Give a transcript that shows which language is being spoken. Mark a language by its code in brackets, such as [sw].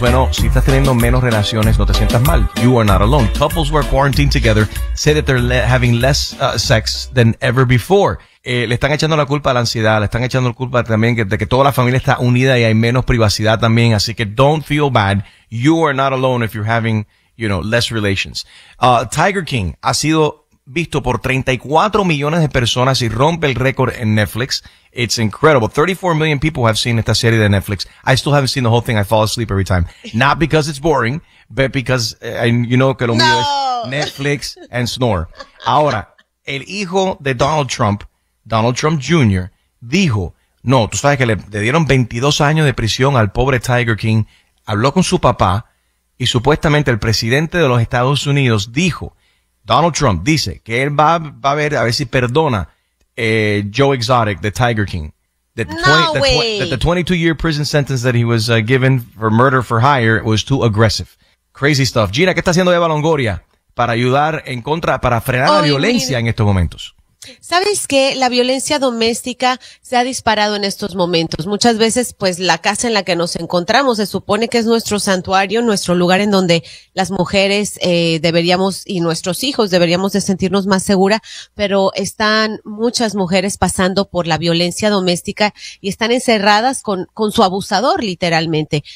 [es] Bueno, si estás teniendo menos relaciones, no te sientas mal. [en] You are not alone. Couples who are quarantined together say that they're having less sex than ever before. [es] Le están echando la culpa a la ansiedad, le están echando la culpa también de que toda la familia está unida y hay menos privacidad también. Así que [en] don't feel bad. You are not alone if you're having, you know, less relations. [es] Tiger King ha sido visto por 34 millones de personas y rompe el récord en Netflix. [en] It's incredible. 34 million people have seen [es] esta serie de Netflix. [en] I still haven't seen the whole thing. I fall asleep every time. Not because it's boring, but because you know [es] que lo mío es [en] Netflix and snore. [es] Ahora, el hijo de Donald Trump Jr., dijo, no, tú sabes que le dieron 22 años de prisión al pobre Tiger King. Habló con su papá y supuestamente el presidente de los Estados Unidos dijo, Donald Trump dice que él va a ver si perdona Joe Exotic, the Tiger King. [en] The 22-year prison sentence that he was given for murder for hire was too aggressive. Crazy stuff. [es] Gina, ¿qué está haciendo Eva Longoria para ayudar en contra, para frenar la violencia en estos momentos? ¿Sabes qué? La violencia doméstica se ha disparado en estos momentos. Muchas veces, pues, la casa en la que nos encontramos se supone que es nuestro santuario, nuestro lugar en donde las mujeres deberíamos y nuestros hijos deberíamos de sentirnos más seguras, pero están muchas mujeres pasando por la violencia doméstica y están encerradas con su abusador, literalmente.